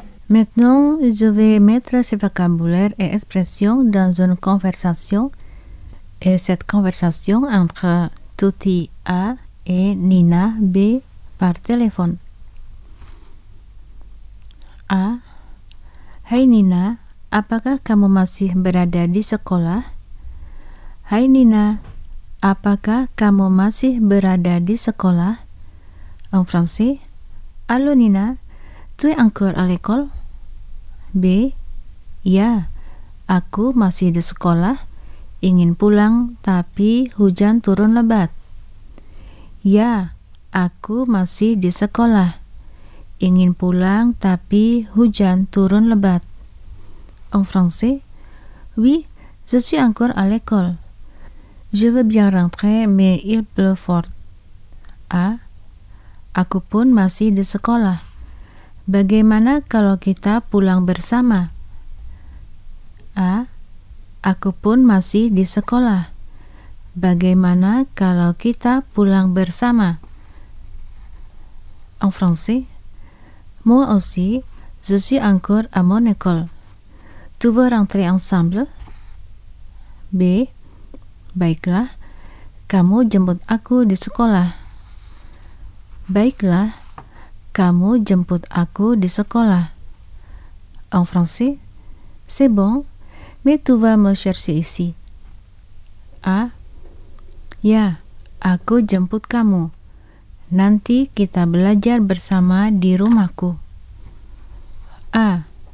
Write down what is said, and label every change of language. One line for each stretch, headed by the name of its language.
French: Maintenant, je vais mettre ce vocabulaire et expression dans une conversation. Et cette conversation entre Tutti A et Nina B par téléphone. A.
Indonesian: Hai Nina, apakah kamu masih berada di sekolah? Hai Nina, apakah kamu masih berada di sekolah?
French: En français. Allô Nina, tu es encore à l'école?
Indonesian: B. Ya, aku masih di sekolah. Ingin pulang, tapi hujan turun lebat. Ya, aku masih di sekolah. Ingin pulang, tapi hujan turun lebat.
French: En français. Oui, je suis encore à l'école. Je veux bien rentrer, mais il pleut fort. A.
Indonesian: Aku pun masih di sekolah. Bagaimana kalau kita pulang bersama? A. Aku pun masih di sekolah. Bagaimana kalau kita pulang bersama?
French: En français. Moi aussi, je suis encore à mon école. Tu veux rentrer ensemble? B.
Indonesian: Baiklah, kamu jemput aku di sekolah. Baiklah, kamu jemput aku di sekolah.
French: En français, c'est bon, mais tu vas me chercher ici.
Indonesian: A. Ya, aku jemput kamu. Nanti kita belajar bersama di rumahku. A.